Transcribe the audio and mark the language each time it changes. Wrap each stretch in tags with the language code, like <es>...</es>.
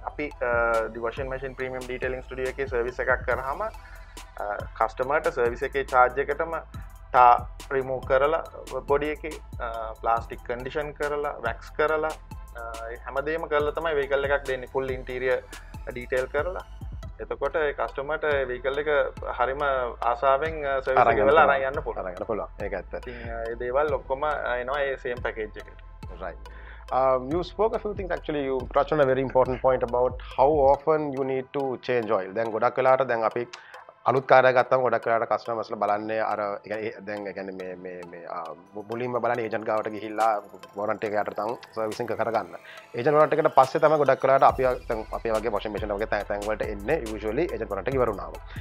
<si>අපි ද washing machine premium ඩීටේලින් studio එකේ service එකක් කරාම කස්ටමර්ට සර්විස් එකේ චාර්ජ් එකටම ටා රිමූව් කරලා බොඩි එකේ ප්ලාස්ටික් කන්ඩිෂන් කරලා වැක්ස් කරලා හැමදේම කරලා තමයි වෙහිකල් එකක් දෙන්නේ. ෆුල් ඉන්ටීරිය ඩීටේල් කරලා එතකොට ඒ කස්ටමර්ට ඒ වෙහිකල් එක හරිම ආසාවෙන් සර්විස් එක වල අරන් යන්න පුළුවන්. අරගෙන පුළුවන්. ඒක ඇත්ත. ඉතින් ඒ දේවල් ඔක්කොම එනවා ඒ සේම් පැකේජ් එකට.</si> <en>Right. You spoke a few things actually. You touched on a very important point about how often you need to change oil.</en> <si>දැන් ගොඩක් වෙලාවට දැන් අපි අලුත් කාර් එකක් ගත්තම ගොඩක් වෙලාවට කස්ටමර්ස් ලා බලන්නේ අර දැන් ඒ කියන්නේ මේ මේ මේ මුලින්ම බලන්නේ ඒජන්ට් ගාවට ගිහිල්ලා වොරන්ටි එක යටතම සර්විසින් කර ගන්න. ඒජන්ට් වොරන්ටි එකට පස්සේ තමයි ගොඩක් වෙලාවට අපි දැන් අපි වගේ වොෂින් මැෂින් වගේ තැන් වලට එන්නේ යූෂුවලි ඒජන්ට් වොරන්ටි ඉවරුනාම.</si>